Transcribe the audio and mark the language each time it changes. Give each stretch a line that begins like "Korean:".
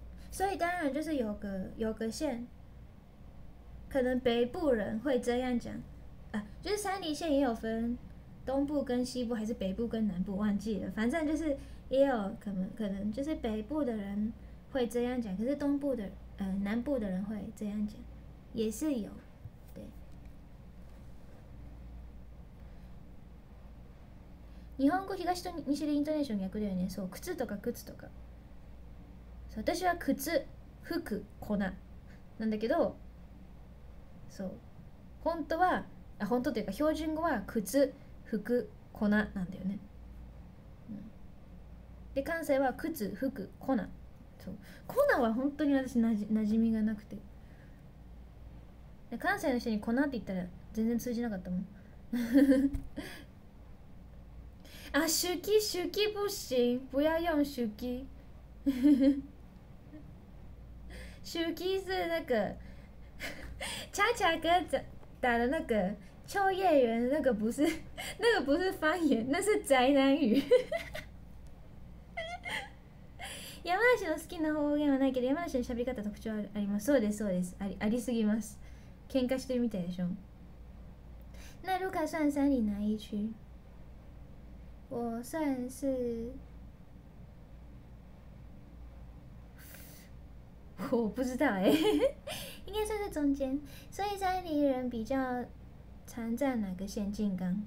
Chinese: 所以当然就是有个县，可能北部人会这样讲啊，就是山梨县也有分东部跟西部，还是北部跟南部，忘记了，反正就是也有可能就是北部的人。会这样讲，可是东部的南部的人会这样讲，也是有，对。
Japanese: 日本語東と西でイントネーション逆だよね。そう、靴とか靴とか。そう、私は靴、服、粉なんだけど、そう、本当は本当というか標準語は靴、服、粉なんだよね。で、関西は靴、服、粉。コナは本当に私なじみがなくて、関西の人にコナって言ったら全然通じなかったもん。
Chinese: あ、シュキシュキ不行、不要用シュキ。シュキ是那个恰恰哥打的那个秋叶原，那个不是那个不是方言，那是宅男语。
Japanese: 山梨の好きな方言はないけど、山梨の喋り方特徴あります。そうですそうです、ありすぎます。喧嘩してるみたいでしょ。
Chinese: 那ルカ算山梨哪一区？我算是我不知道耶、欸、应该算在中间。所以山梨人比较常在哪个县？静冈。